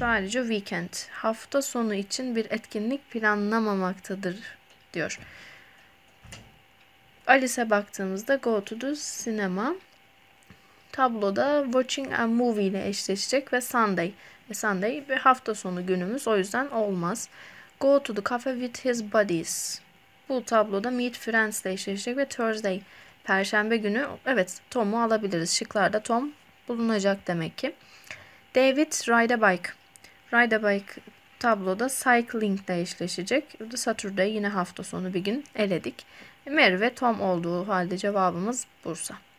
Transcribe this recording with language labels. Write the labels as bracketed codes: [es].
[tr] Ve ayrıca weekend hafta sonu için bir etkinlik planlamamaktadır diyor. Alice'e baktığımızda [en] go to the cinema. [tr] Tabloda [en] watching a movie [tr] ile eşleşecek ve Sunday. Sunday bir hafta sonu günümüz, o yüzden olmaz. [en] Go to the cafe with his buddies. [tr] Bu tabloda [en] meet friends [tr] ile eşleşecek ve Thursday. Perşembe günü, evet, Tom'u alabiliriz. Şıklarda Tom bulunacak demek ki. [en] David ride a bike. Ride a bike [tr] tabloda cycling ile eşleşecek. The Saturday yine hafta sonu bir gün eledik. Mary ve Tom olduğu halde cevabımız Bursa.